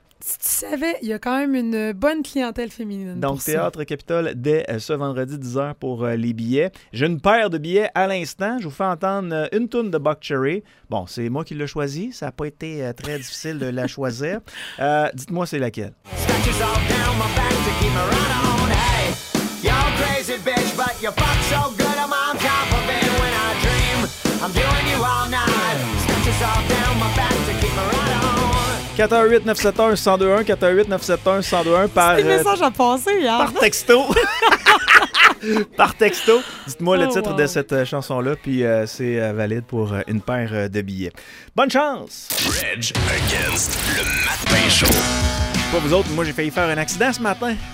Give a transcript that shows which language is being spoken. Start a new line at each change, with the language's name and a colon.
French: Si tu savais, il y a quand même une bonne clientèle féminine. Donc, Théâtre Capitole, dès ce vendredi, 10h pour les billets. J'ai une paire de billets à l'instant. Je vous fais entendre une toune de Buck Cherry. Bon, c'est moi qui l'ai choisie. Ça n'a pas été très difficile de la choisir. Dites-moi, c'est laquelle?
English: Scratches all down my back to keep her on her own. Hey, you're crazy bitch, but you fuck so good. I'm on top of it when I dream. I'm doing you all night. Scratches all down my back to keep her on her own.
French: 418-971-1021, 418-971-1021 par... C'est des messages à passer, hier. Par texto. Par texto. Dites-moi le titre de cette chanson-là, puis c'est valide pour une paire de billets. Bonne chance! Rage Against the Matin Show. Pas vous autres, moi j'ai failli faire un accident ce matin.